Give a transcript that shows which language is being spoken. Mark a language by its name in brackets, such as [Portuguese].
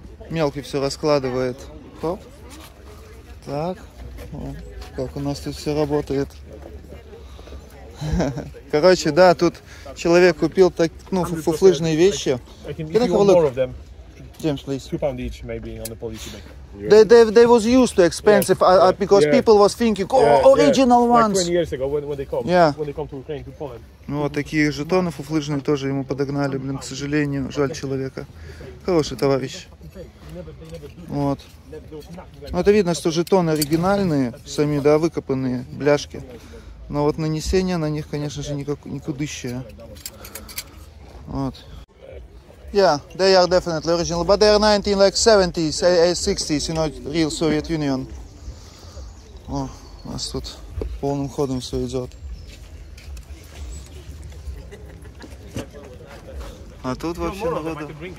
[Russian] Мелкий все раскладывает. Хоп. Так. О, как у нас тут все работает. Короче, да, тут человек купил так, ну, фуфлыжные вещи. [English] James, please. £2 each, maybe, on the policy bank. They was used to expensive, because people was thinking, oh, original ones. Like 20 years ago, when they come. Yeah. When they come to Ukraine, to Poland. [Russian] Ну вот такие жетоны фуфлыжные тоже ему подогнали, блин, к сожалению, жаль человека. Хороший товарищ. Вот. Ну это видно, что жетоны оригинальные, сами, да, выкопанные, бляшки. Но вот нанесение на них, конечно же, никудыщее. Вот. [English] Yeah, they are definitely original, but they are 1970s, 1960s, you know, real Soviet Union. [Russian] О, у нас тут полным ходом все идет. А тут вообще народу.